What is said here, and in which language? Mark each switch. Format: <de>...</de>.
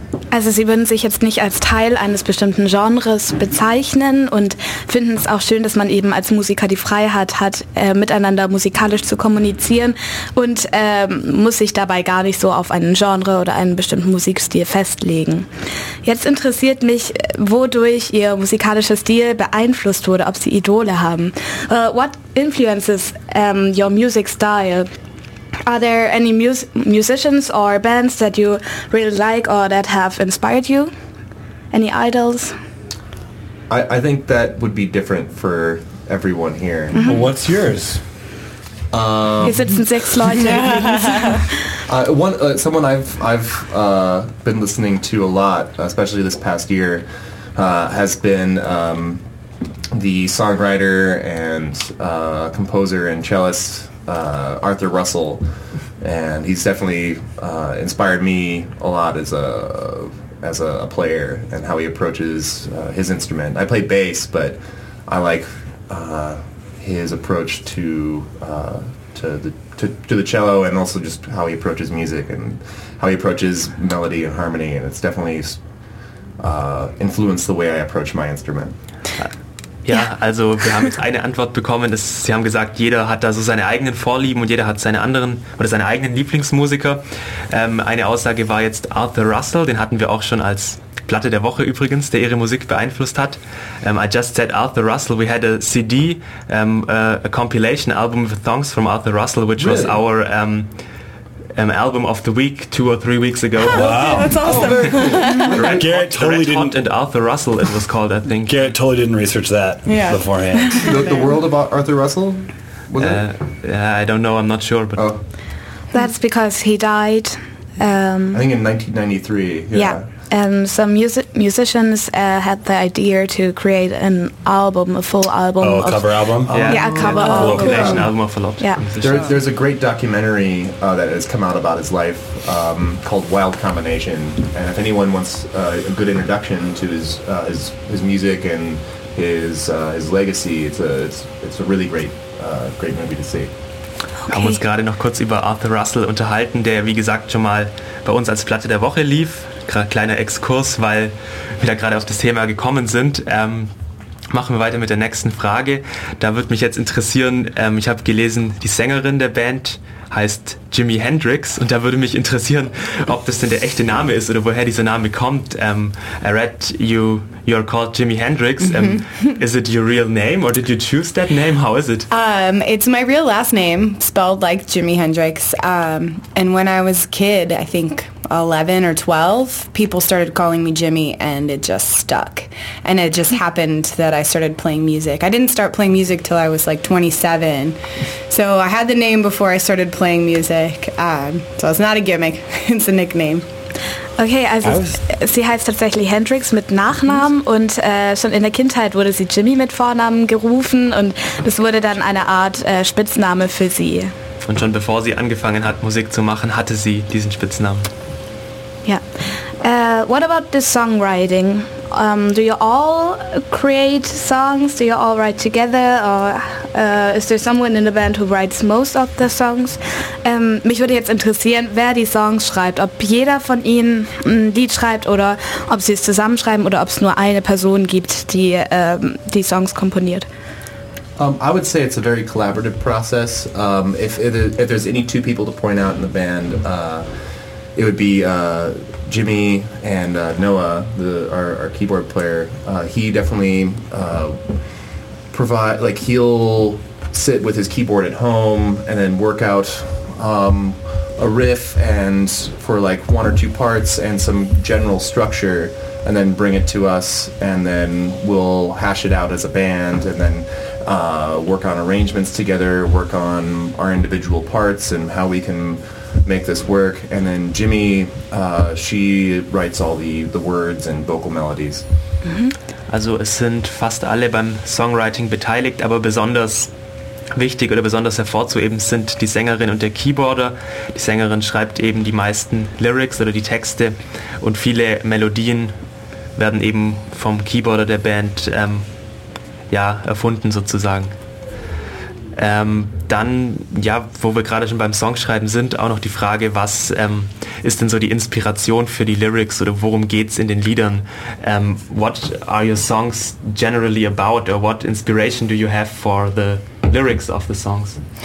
<de>Also Sie würden sich jetzt nicht als Teil eines bestimmten Genres bezeichnen und finden es auch schön, dass man eben als Musiker die Freiheit hat, miteinander musikalisch zu kommunizieren und muss sich dabei gar nicht so auf einen Genre oder einen bestimmten Musikstil festlegen. Jetzt interessiert mich, wodurch Ihr musikalischer Stil beeinflusst wurde, ob Sie Idole haben.</de> <en>What influences your music style? Are there any musicians or bands that you really like or that have inspired you? Any idols? I think that would be different for everyone here. Mm-hmm. Well, what's yours?</en> <de>Hier sitzen sechs Leute.</de> <en>Someone I've been listening to a lot, especially this past year, has been the songwriter and composer and cellist Arthur Russell, and he's definitely inspired me a lot as a player and how he approaches his instrument. I play bass, but I like his approach to the cello, and also just how he approaches music and how he approaches melody and harmony, and it's definitely influenced the way I approach my instrument.</en> <de>Ja, also wir haben jetzt eine Antwort bekommen. Sie haben gesagt, jeder hat da so seine eigenen Vorlieben und jeder hat seine anderen oder seine eigenen Lieblingsmusiker. Eine Aussage war jetzt Arthur Russell, den hatten wir auch schon als Platte der Woche übrigens, der ihre Musik beeinflusst hat.</de> <en>I just said Arthur Russell, we had a CD, a compilation album with songs from Arthur Russell, which was our album of the week 2 or 3 weeks ago. Wow. That's awesome. Oh, cool. Garrett totally didn't. And Arthur Russell, it was called, I think. Garrett totally didn't research that beforehand. The world about Arthur Russell? Was it? I don't know, I'm not sure. But That's because he died. I think in 1993. Yeah. Some musicians had the idea to create an album, a full album. Oh, a cover album? A cover album. There's a great documentary that has come out about his life called Wild Combination. And if anyone wants a good introduction to his music and his legacy, it's a really great movie to see. Okay.</en> <de>Haben uns gerade noch kurz über Arthur Russell unterhalten, der wie gesagt schon mal bei uns als Platte der Woche lief. Kleiner Exkurs, weil wir da gerade auf das Thema gekommen sind. Machen wir weiter mit der nächsten Frage. Da würde mich jetzt interessieren, ich habe gelesen, die Sängerin der Band heißt Jimi Hendrix, und da würde mich interessieren, ob das denn der echte Name ist oder woher dieser Name kommt.</de> <en>I read you're called Jimi Hendrix. Mm-hmm. Is it your real name or did you choose that name? How is it? It's my real last name, spelled like Jimi Hendrix. And when I was a kid, I think 11 or 12, people started calling me Jimmy and it just stuck. And it just happened that I started playing music. I didn't start playing music till I was like 27. So I had the name before I started playing music. So it's not a gimmick, it's a nickname.</en> <de>Okay, also sie heißt tatsächlich Hendrix mit Nachnamen, und schon in der Kindheit wurde sie Jimmy mit Vornamen gerufen, und das wurde dann eine Art Spitzname für sie. Und schon bevor sie angefangen hat, Musik zu machen, hatte sie diesen Spitznamen.</de> <en>Yeah. What about the songwriting? Do you all create songs? Do you all write together? Or is there someone in the band who writes most of the songs?</en> <de>Mich würde jetzt interessieren, wer die Songs schreibt. Ob jeder von ihnen ein Lied schreibt oder ob sie es zusammenschreiben oder ob es nur eine Person gibt, die die Songs komponiert.</de> <en>I would say it's a very collaborative process. If there's any two people to point out in the band, it would be Jimmy and Noah, our keyboard player. He definitely he'll sit with his keyboard at home and then work out a riff and for like one or two parts and some general structure, and then bring it to us, and then we'll hash it out as a band, and then work on arrangements together, work on our individual parts and how we can make this work. And then Jimmy, she writes all the words and vocal melodies.</en> <de>Also es sind fast alle beim Songwriting beteiligt, aber besonders wichtig oder besonders hervorzuheben sind die Sängerin und der Keyboarder. Die Sängerin schreibt eben die meisten Lyrics oder die Texte, und viele Melodien werden eben vom Keyboarder der Band erfunden sozusagen. Wo wir gerade schon beim Songschreiben sind, auch noch die Frage, was ist denn so die Inspiration für die Lyrics oder worum geht's in den Liedern?</de> <en>What are your songs generally about, or what inspiration do you have for the lyrics of the songs?</en>